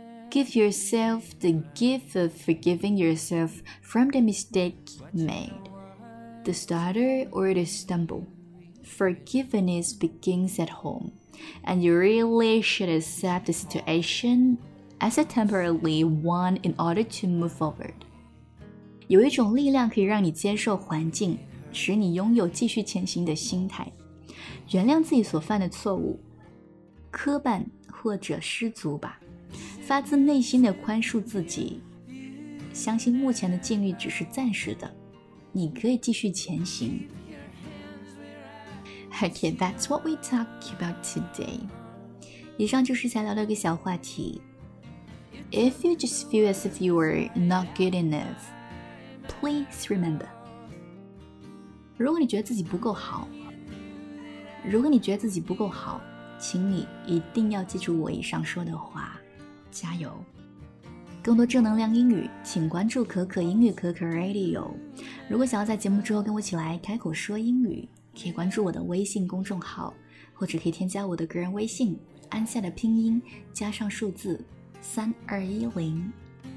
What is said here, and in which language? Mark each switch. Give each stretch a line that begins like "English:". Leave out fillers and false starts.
English: Give yourself the gift of forgiving yourself from the mistake made, the stutter or the stumble. Forgiveness begins at home, and you really should accept the situation as a temporary one in order to move forward.
Chinese: 有一种力量可以让你接受环境，使你拥有继续前行的心态。原谅自己所犯的错误，磕绊或者失足吧，发自内心的宽恕自己，相信目前的境遇只是暂时的，你可以继续前行。
English: Okay, that's what we talk about today.
Chinese: 以上就是想聊的一个小话题。
English: If you just feel as if you were not good enoughPlease remember.
Chinese: 如果你觉得自己不够好，如果你觉得自己不够好，请你一定要记住我以上说的话，加油。更多正能量英语，请关注可可英语可可 Radio。如果想要在节目之后跟我一起来开口说英语，可以关注我的微信公众号，或者可以添加我的个人微信，安夏的拼音加上数字3210。